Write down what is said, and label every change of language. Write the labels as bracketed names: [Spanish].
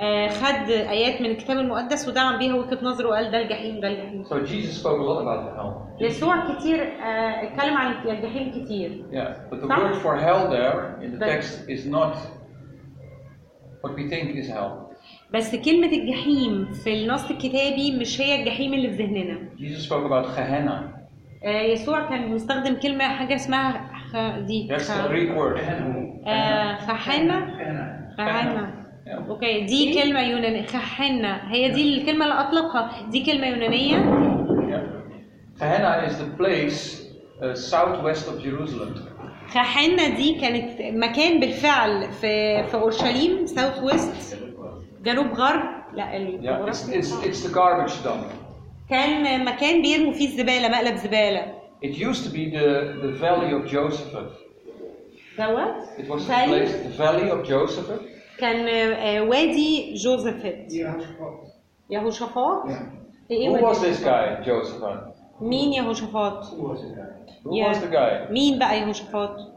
[Arabic] خد آيات من الكتاب المقدس ودعم بيها وجهة نظره وقال ده الجحيم ده الجحيم. [English] So Jesus spoke a lot about the hell. [Arabic] يسوع كتير اتكلم عن الجحيم كتير. [English] Yeah, but the word for hell there in the text is not what we think is hell. [Arabic] بس كلمة الجحيم في النص الكتابي مش هي الجحيم اللي في ذهننا. [English] Jesus spoke about Gehenna. [Arabic] يسوع كان مستخدم كلمة حاجة اسمها دي. [English] That's the Greek word. Gehenna. [Arabic] اوكي دي كلمة يونانية خحنة هي دي الكلمة اللي اطلقها دي كلمة يونانية [English] خحنة is the place southwest of Jerusalem [Arabic] خحنة دي كانت مكان بالفعل في اورشليم [English] southwest [Arabic] جنوب غرب لا [English] it's the garbage dump [Arabic] كان مكان بيرموا فيه الزبالة مقلب زبالة [English] it used to be the valley of Josaphat دوت it was the place the valley of Josaphat [Arabic] كان وادي جوزفت يهوشافات [English] Who was this guy Josaphat [Arabic] مين يهوشافات [English] Who was the guy [Arabic] مين بقى يهوشافات